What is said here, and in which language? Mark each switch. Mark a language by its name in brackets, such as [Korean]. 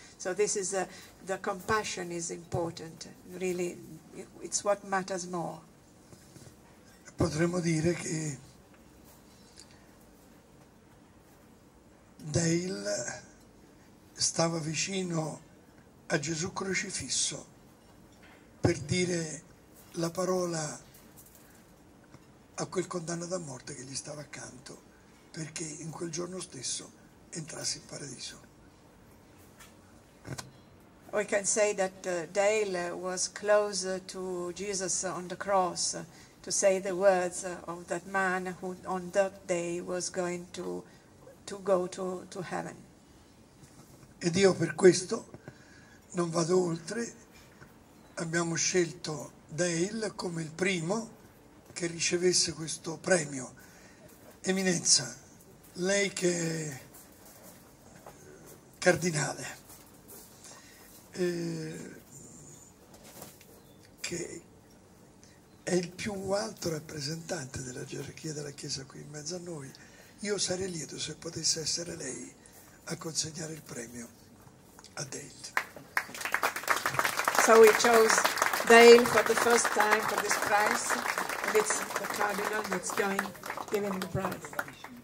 [English] So this is the compassion is important, really, it's what matters more. [Italian] Potremmo dire che Dale stava vicino a Gesù crocifisso per dire la parola a quel condannato a morte che gli stava accanto, perché in quel giorno stesso entrasse in paradiso. [English] We can say that Dale was close to Jesus on the cross to say the words of that man who on that day was going to to go to heaven. [Italian] Ed io per questo non vado oltre. Abbiamo scelto Dale come il primo che ricevesse questo premio. Eminenza, lei che è cardinale, che è il più alto rappresentante della gerarchia della Chiesa qui in mezzo a noi, io sarei lieto se potesse essere lei a consegnare il premio a Dale. [English] So we chose Dale for the first time for this prize, and it's the cardinal that's going giving the prize.